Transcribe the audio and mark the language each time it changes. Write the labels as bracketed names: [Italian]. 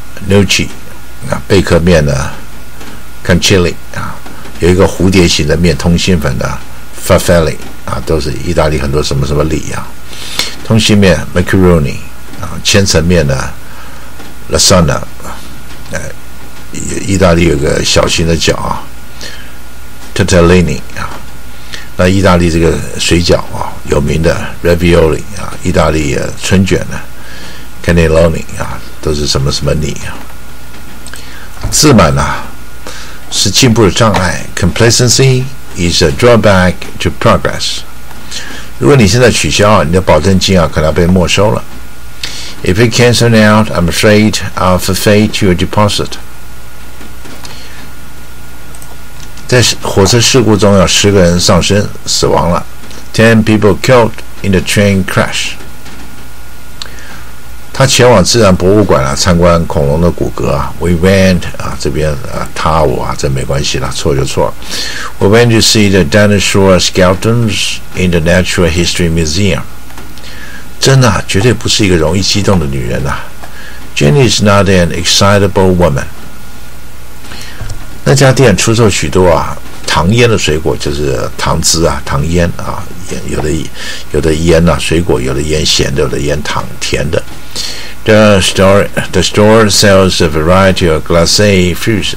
[Chinese] Nucci 啊，贝克面呢 ，Cancelli 啊，有一个蝴蝶形的面，通心粉的 ，Farfalle 啊，都是意大利很多什么什么里啊，通心面 ，Macaroni 啊，千层面呢 ，Lasagna 啊，意大利有个小型的饺啊 ，Tortellini 啊，那意大利这个水饺啊，有名的 Ravioli 啊，意大利、啊、春卷呢 ，Cannelloni 啊。都是什么什么你啊，自满啊是进步的障碍。 [English] Complacency is a drawback to progress. [Chinese] 如果你现在取消啊，你的保证金啊可能要被没收了。 [English] If you cancel out, I'm afraid I'll forfeit your deposit. [Chinese] 在火车事故中啊，十个人丧生死亡了。 [English] 10 people killed in the train crash. [Chinese] 他前往自然博物馆啊，参观恐龙的骨骼啊。 [English] We went [Chinese] 啊，这边啊，他我啊，这没关系了，错就错。 [English] We went to see the dinosaur skeletons in the Natural History Museum。 [Chinese] 真的、啊，绝对不是一个容易激动的女人呐、啊。 [English] Jenny is not an excitable woman。 [Chinese] 那家店出售许多啊糖腌的水果，就是糖汁啊，糖腌啊，有的腌呐、啊、水果，有的腌咸的，有的腌糖甜的。 [English] The store sells a variety of glacé fruits.